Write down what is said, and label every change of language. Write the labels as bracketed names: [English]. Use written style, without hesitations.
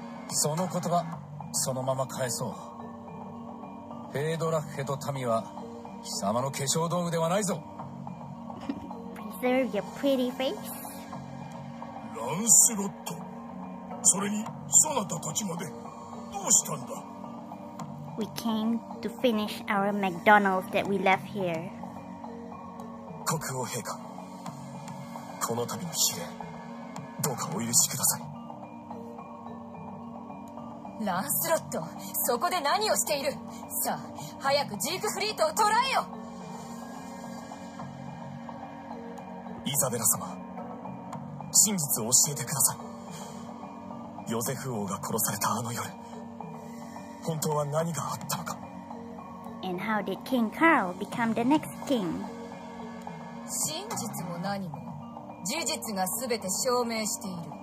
[Japanese] その言葉、そのまま返そう。ヘイドラッヘと民は貴様の化粧道具ではないぞ。 [English] Preserve your pretty face. [Japanese] ランセロット、それにそなたたちまでどうしたんだ? [English] We came to finish our McDonald's that we left here. [Japanese] 国王陛下、この度の試練、どうかお許しください。ランスロット、そこで何をしている?さあ、早くジークフリートを捕らえよ! イザベラ様、真実を教えてください。ヨゼフ王が殺されたあの夜、本当は何があったのか? [English] And how did King Carl become the next king? [Japanese] 真実も何も、事実が全て証明している。